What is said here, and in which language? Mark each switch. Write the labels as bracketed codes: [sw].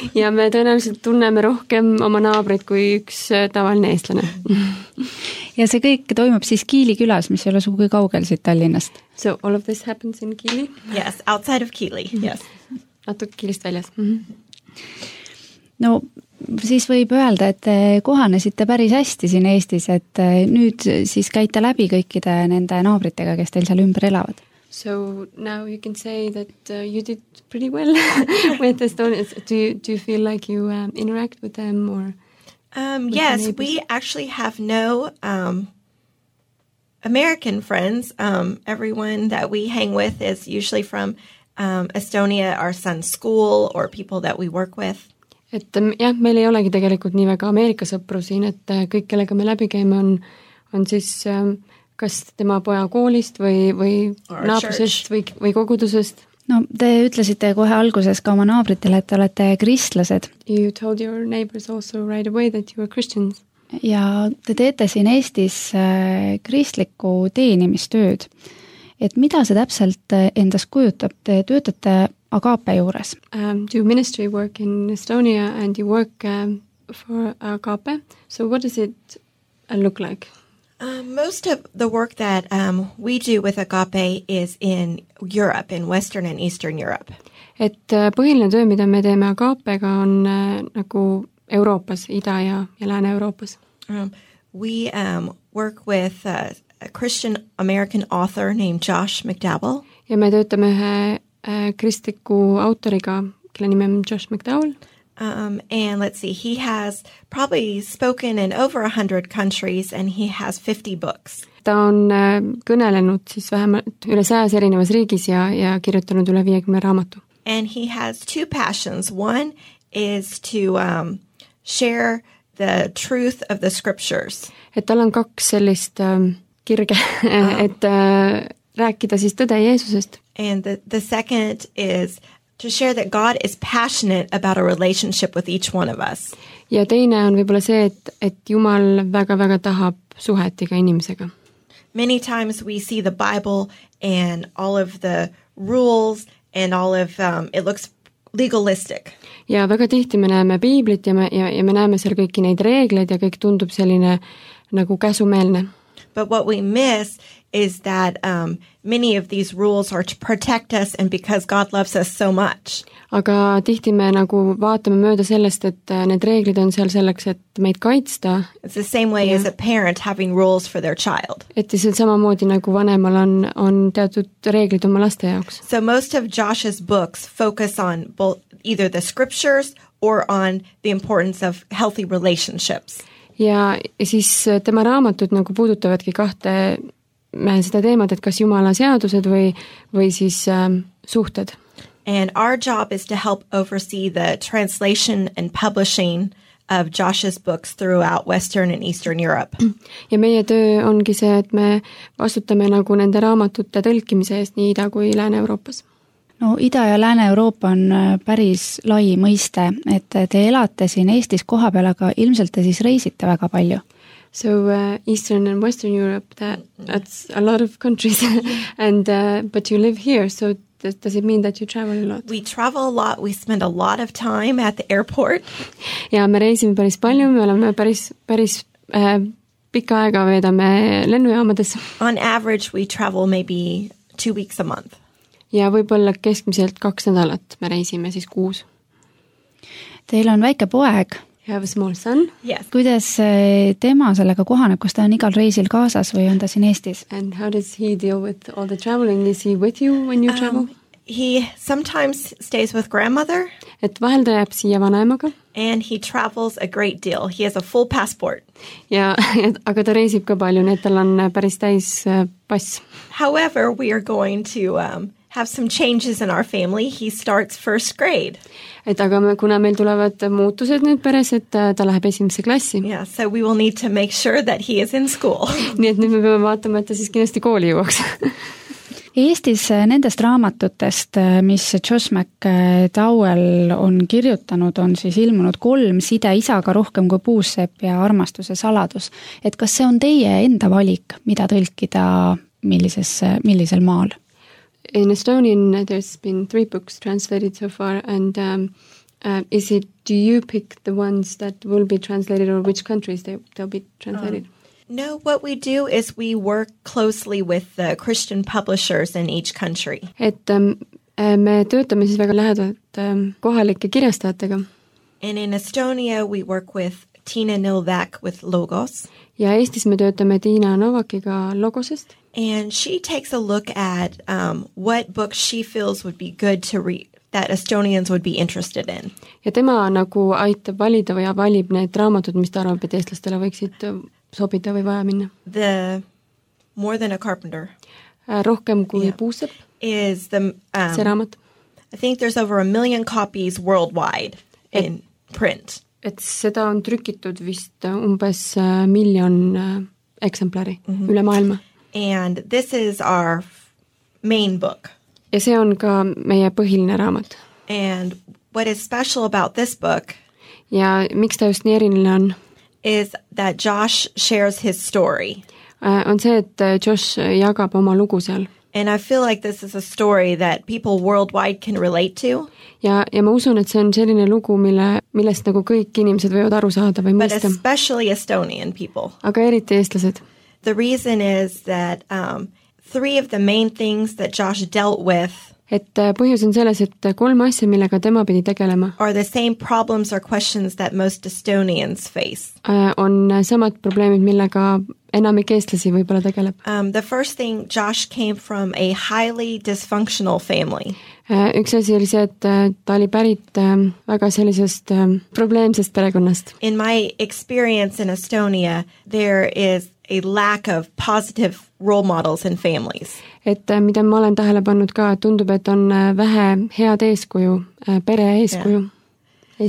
[et] Ja me tõenäoliselt tunneme rohkem oma naabrit kui üks tavaline eestlane. Ja see kõik toimub siis Kiili külas, mis ei ole sugugi kaugel siit Tallinnast. [en] So all of this happens in Kiili? Yes, outside of Kiili, yes. [et] Natuke Kiilist väljas. No siis võib öelda, et te kohanesite päris hästi siin Eestis, et nüüd siis käite läbi kõikide nende naabritega, kes teil seal ümber elavad. [en] So now you can say that you did pretty well with Estonians. Do you feel like you interact with them or? Yes, we actually have no American friends. Everyone that we hang with is usually from Estonia, our son's school, or people that we work with. [et] Et ja meil ei olegi tegelikult nii väga Ameerika sõpru siin, et kõik, kellega me läbi käime, on siis kas tema poja koolist või naabrusest või kogudusest. No, te ütlesite kohe alguses ka oma naabritele, et te olete kristlased. [en] You told your neighbors also right away that you are Christians. [et] Ja te teete siin Eestis kristliku teenimistööd. Et mida see täpselt endas kujutab? Te töötate Agape juures. [en] Do ministry work in Estonia and you work for Agape. So what does it look like? Most of the work that we do with Agape is in Europe, in Western and Eastern Europe. [et] Et põhiline töö, mida me teeme Agapega, on nagu Euroopas, Ida- ja Lääne-Euroopas. [en] We work with a Christian American author named Josh McDowell. [et] Ja me töötame ühe kristliku autoriga, kelle nime on Josh McDowell. [en] And let's see, he has probably spoken in over 100 countries and he has 50 books. [et] Ta on kõnelenud siis vähemalt üle 100 erinevas riigis ja kirjutanud üle 50 raamatu. [en] And he has two passions. One is to share the truth of the scriptures. [et] Et tal on kaks sellist kirge, et rääkida siis tõde Jeesusest. [en] And the second is to share that God is passionate about a relationship with each one of us. [et] Ja teine on võib-olla see, et Jumal väga-väga tahab suhetiga inimesega. [en] Many times we see the Bible and all of the rules and all of it looks legalistic. [et] Ja väga tihti me näeme Biiblit ja me näeme seal kõiki neid reegleid ja kõik tundub selline nagu käsumeelne. [en] But what we miss is that many of these rules are to protect us and because God loves us so much. [et] Aga tihti me nagu vaatame mööda sellest, et need reeglid on seal selleks, et meid kaitsta. [en] It's the same way as a parent having rules for their child. [et] Et siis samamoodi nagu vanemal on teatud reeglid oma laste jaoks. [en] So most of Josh's books focus on both either the scriptures or on the importance of healthy relationships. [et] Ja siis tema raamatud nagu puudutavadki kahte seda teemad, et kas Jumala seadused või siis suhted. [en] And our job is to help oversee the translation and publishing of Josh's books throughout Western and Eastern Europe. [et] Ja meie töö ongi see, et me vastutame nagu nende raamatute tõlkimise eest nii Ida kui Lääne-Euroopas. No Ida ja Lääne-Euroopa on päris lai mõiste, et te elate siin Eestis koha peal, aga ilmselt te siis reisite väga palju. [en] So Eastern and Western Europe, that's a lot of countries, and but you live here, so does it mean that you travel a lot? We travel a lot, we spend a lot of time at the airport. [et] Ja me reisime päris palju, me oleme päris pika aega veedame lennujaamades. [en] On average, we travel maybe 2 weeks a month. [et] Ja võib-olla keskmiselt 2 nädalat me reisime siis 6. Teil on väike poeg. [en] You have a small son. Yes. [et] Kuidas tema sellega kohaneb, kus ta on igal reisil kaasas või on ta siin Eestis? [en] And how does he deal with all the traveling? Is he with you when you travel? He sometimes stays with grandmother. [et] Et vahel ta jääb siia vanaemaga. [en] And he travels a great deal. He has a full passport. [et] Ja, aga ta reisib ka palju, nii et tal on päris täis pass. [en] However, we are going to have some changes in our family. He starts first grade. [et] Et aga kuna meil tulevad muutused nüüd peres, et ta läheb esimese klassi. [en] Yeah, so we will need to make sure that he is in school. [et] Nii et nüüd me peame vaatama, et ta siis kindlasti kooli jõuaks. Eestis nendest raamatutest, mis Josh McDowell on kirjutanud, on siis ilmunud 3 side isaga rohkem kui puusepp ja armastuse saladus. Et kas see on teie enda valik, mida tõlkida millisel maal? [en] In Estonian, there's been 3 books translated so far, and is it, do you pick the ones that will be translated or which countries they'll be translated? No, what we do is we work closely with the Christian publishers in each country. [et] Et me töötame siis väga lähedalt kohalike kirjastajatega. [en] And in Estonia, we work with Tiina Novak with Logos. [et] Ja Eestis me töötame Tiina Novakiga Logosest. [en] And she takes a look at what books she feels would be good to read, that Estonians would be interested in. [et] Ja tema nagu aitab valida või valib need raamatud, mis ta arvab, et eestlastele võiksid sobida või vaja minna. [en] The More Than a Carpenter. [et] Rohkem kui puusep. [en] Is the, [et] see raamat. [en] I think there's over 1 million copies worldwide in print. [et] Et seda on trükitud vist umbes miljon eksemplari üle maailma. [en] And this is our main book. [et] Ja see on ka meie põhiline raamat. [en] And what is special about this book? [et] Ja miks ta just nii eriline on? [en] Is that Josh shares his story. [et] On see, et Josh jagab oma lugu seal. [en] And I feel like this is a story that people worldwide can relate to. [et] Ja ma usun, et see on selline lugu, millest nagu kõik inimesed võivad aru saada või mõista. [en] But especially Estonian people. [et] Aga eriti eestlased. [en] The reason is that 3 of the main things that Josh dealt with [et] et põhjus on selles, et kolm asja, millega tema pidi tegelema. [en] Are the same problems or questions that most Estonians face. [et] On samad probleemid, millega enamik eestlasi võibolla tegeleb. [en] The first thing, Josh came from a highly dysfunctional family. [et] Üks asja oli see, et ta oli pärit väga sellisest probleemsest perekonnast. [en] In my experience in Estonia, there is a lack of positive role models in families. [et] Et mida ma olen tähele pannud ka, tundub, et on vähe head eeskuju, pere eeskuju yeah.